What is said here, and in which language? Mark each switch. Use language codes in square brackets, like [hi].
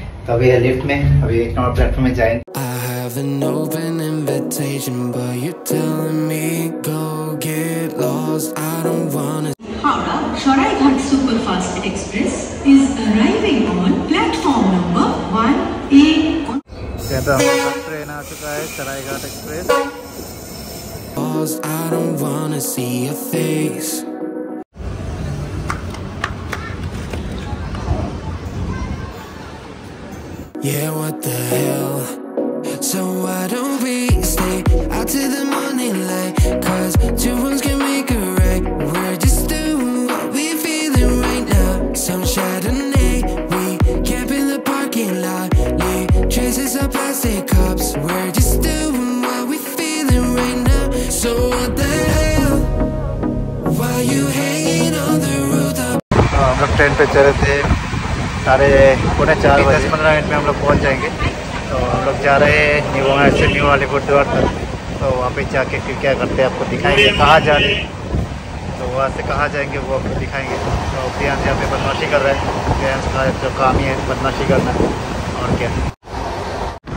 [hi] तो अभी है लिफ्ट में, अभी एक नंबर प्लेटफॉर्म में जाएंगे। [en] An open invitation, but you're telling me go get lost. I don't wanna. Howrah Saraighat Superfast Express is arriving on platform number 1A. Saraighat Express. I don't wanna see your face. Yeah, what the hell? So why don't we stay out till the morning light? Cause two wrongs can make a right. We're just doing what we're feeling right now. Some Chardonnay, we camp in the parking lot. Leave traces of plastic cups. We're just doing what we're feeling right now. So what the hell? Why are you hanging on the rooftop? I'm not trying to tell you. [hi] अरे पुणे 4:10 में हम लोग पहुँच जाएंगे। तो हम लोग जा रहे हैं न्यू वहाँ से न्यू वाली गुरुद्वार तक। तो वहाँ पे जाके फिर क्या करते हैं आपको दिखाएंगे, कहाँ जा रहे हैं तो वहाँ से कहाँ जाएंगे वो आपको दिखाएंगे। तो प्रियांश यहाँ पे बदमाशी कर रहे हैं, प्रियांश का जो काम ही है बदमाशी करना, और क्या।